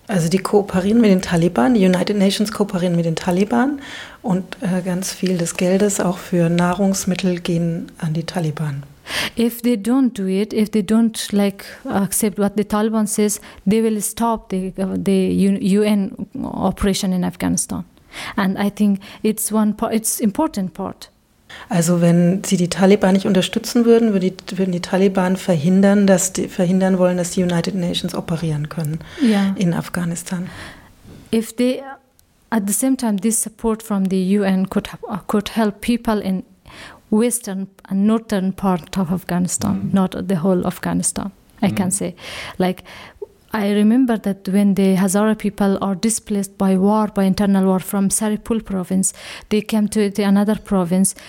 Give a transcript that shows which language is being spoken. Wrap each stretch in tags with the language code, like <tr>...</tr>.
<de>Also die kooperieren mit den Taliban, die United Nations kooperieren mit den Taliban und ganz viel des Geldes auch für Nahrungsmittel gehen an die Taliban.</de> <en>If they don't do it, if they don't like accept what the Taliban says, they will stop the UN operation in Afghanistan. And I think it's one part, it's important part.</en> <de>Also wenn sie die Taliban nicht unterstützen würden, würden die Taliban verhindern wollen, dass die United Nations operieren können in Afghanistan.</de> <en>If they, at the same time, this support from the UN could help people in western and northern part of Afghanistan, not the whole Afghanistan, I can say. Like, I remember that when the Hazara people are displaced by war, by internal war from Saripul province, they came to the another province.</en>